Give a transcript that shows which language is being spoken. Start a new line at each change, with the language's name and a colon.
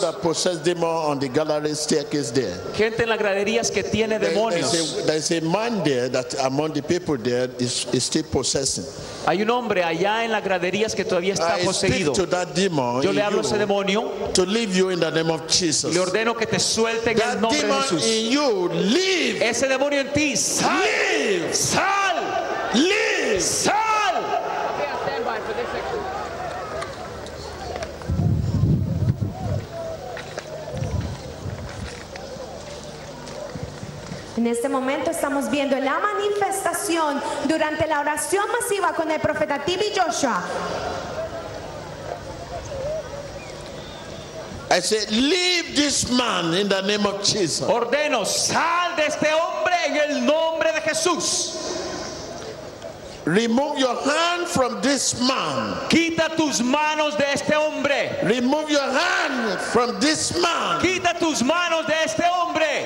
English: People that possess demons on the gallery staircase there.
Spanish: Gente en las graderías que tiene demonios.
English: There is a man there that among the people there is still possessing.
Spanish: Hay un hombre allá en las graderías que todavía está poseído.
English: I speak to that demon.
Spanish: Yo le hablo a ese demonio.
English: To leave you in the name of Jesus.
Spanish: Le ordeno que te suelte en el nombre de Jesús.
English: That demon in you, leave.
Spanish: Ese demonio en ti, sal.
English: Leave.
Spanish: Sal.
English: Leave.
Spanish: Sal. En este momento estamos viendo la manifestación. oración durante la oración masiva con el profeta Tibi Joshua.
English: I said, leave this man in the name of Jesus.
Spanish: Ordeno, sal de este hombre en el nombre de Jesús.
English: Remove your hand from this man.
Spanish: Quita tus manos de este hombre.
English: Remove your hand from this man.
Spanish: Quita tus manos de este hombre.